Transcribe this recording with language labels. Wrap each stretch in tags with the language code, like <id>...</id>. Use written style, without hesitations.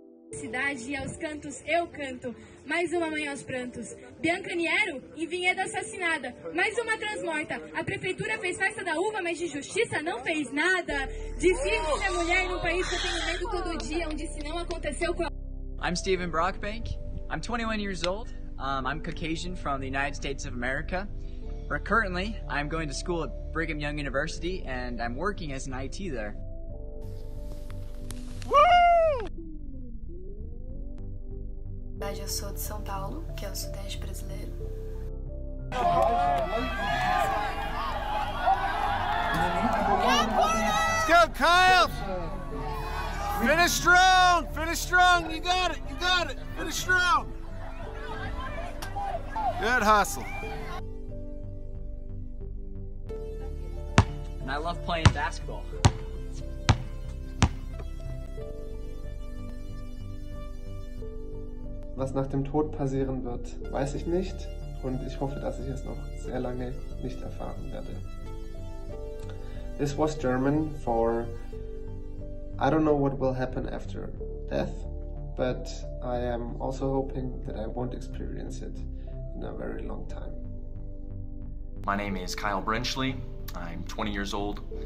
<pt>Cidade e aos cantos eu canto, mais uma mãe aos prantos. Bianca Niero em Vinhedo assassinada, mais uma transmorta. A prefeitura fez festa da uva, mas de justiça não fez nada. Difícil ser mulher num país que eu tenho medo todo dia, onde se não aconteceu com</pt> <en>a... I'm Stephen Brockbank. I'm 21 years old. I'm Caucasian from the United States of America. Currently, I'm going to school at Brigham Young University, and I'm working as an IT there. Woo!</en> <pt>Eu sou de São Paulo, que é o sudeste brasileiro.</pt> <en>Let's go, Kyle! Finish strong, you got it, finish strong! Good hustle. And I love playing basketball.</en> <de>Was nach dem Tod passieren wird, weiß ich nicht. Und ich hoffe, dass ich es noch sehr lange nicht erfahren werde.</de> <en>This was German for I don't know what will happen after death, but I am also hoping that I won't experience it. In a very long time. My name is Kyle Brinchley. I'm 20 years old.</en>